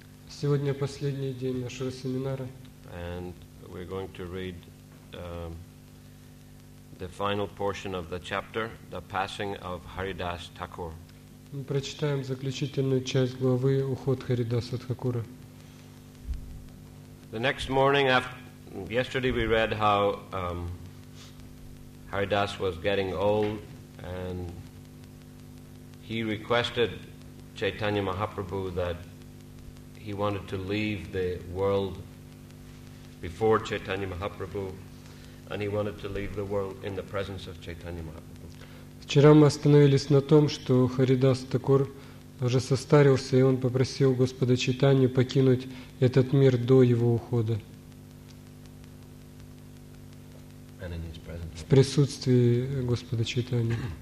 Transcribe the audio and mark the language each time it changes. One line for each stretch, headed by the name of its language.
Russian: Сегодня последний день нашего семинара.
English: And we're going to read the final portion of the chapter, The Passing of Haridas Thakur.
Russian: Мы прочитаем заключительную часть главы «Уход Харидаса Тхакура».
English: The next morning, yesterday we read how Haridas was getting old, and he requested Chaitanya Mahaprabhu that he wanted to leave the world before Chaitanya Mahaprabhu, and he wanted to leave the world in the presence of Chaitanya Mahaprabhu.
Russian: Вчера мы остановились на том, что Харидас Такур уже состарился, и он попросил Господа Чайтанью покинуть этот мир до его ухода в присутствии Господа Чайтанья.